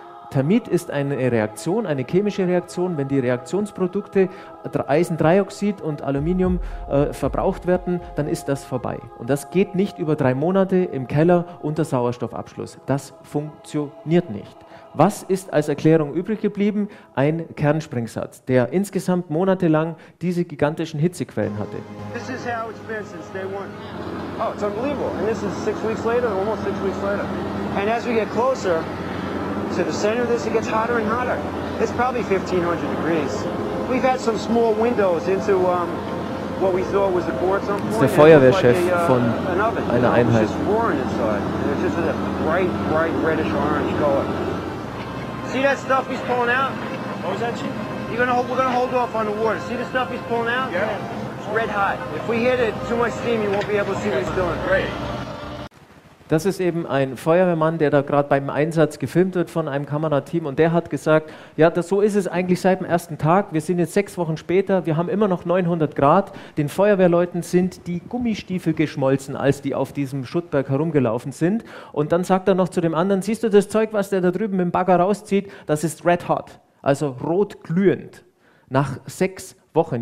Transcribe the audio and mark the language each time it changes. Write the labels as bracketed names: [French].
[German] Thermit ist eine Reaktion, eine chemische Reaktion. Wenn die Reaktionsprodukte Eisendioxid und Aluminium verbraucht werden, dann ist das vorbei. Und das geht nicht über 3 Monate im Keller unter Sauerstoffabschluss. Das funktioniert nicht. Was ist als Erklärung übrig geblieben? Ein Kernsprengsatz, der insgesamt monatelang diese gigantischen Hitzequellen hatte. [English] This is how it's been since day one. Oh, it's unbelievable. And this is 6 weeks later, almost 6 weeks later. And as we get closer to the center of this, it gets hotter and hotter. It's probably 1500 degrees. We've had some small windows into what we thought was the core at some point. [German] Das ist der Feuerwehrchef von einer Einheit. [English] It's just roaring inside. It's just a bright, bright reddish-orange color. See that stuff he's pulling out? What was that, Chief? We're gonna hold off on the water. See the stuff he's pulling out? Yeah. It's red hot. If we hit it too much steam, you won't be able to see what he's doing. Great. [German] Das ist eben ein Feuerwehrmann, der da gerade beim Einsatz gefilmt wird von einem Kamerateam, und der hat gesagt, ja, das, so ist es eigentlich seit dem ersten Tag, wir sind jetzt 6 Wochen später, wir haben immer noch 900 Grad, den Feuerwehrleuten sind die Gummistiefel geschmolzen, als die auf diesem Schuttberg herumgelaufen sind, und dann sagt er noch zu dem anderen, siehst du das Zeug, was der da drüben mit dem Bagger rauszieht, das ist red hot, also rot glühend, nach 6 Wochen. Wochen.